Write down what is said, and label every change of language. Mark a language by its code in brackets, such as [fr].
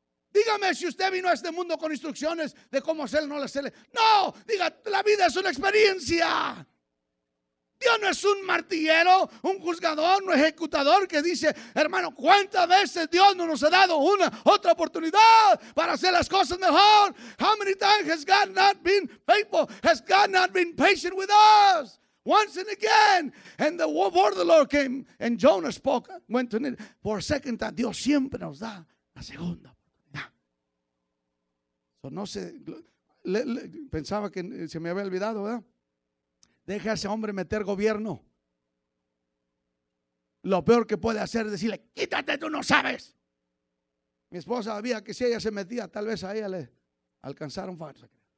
[es] Dígame si usted vino a este mundo con instrucciones de cómo hacerle o no hacerle. ¡No! Diga, la vida es una experiencia. Dios no es un martillero, un juzgador, un ejecutador que dice, hermano, ¿cuántas veces Dios no nos ha dado una otra oportunidad para hacer las cosas mejor? [en] How many times has God not been faithful? Has God not been patient with us? Once and again. And the word of the Lord came and Jonah spoke, went to Nineveh. For a second time, [es] Dios siempre nos da la segunda oportunidad. So no sé, pensaba que se me había olvidado, ¿verdad? Deje a ese hombre meter gobierno. Lo peor que puede hacer es decirle, quítate, tú no sabes. Mi esposa sabía que si ella se metía, tal vez a ella le alcanzaron farsa.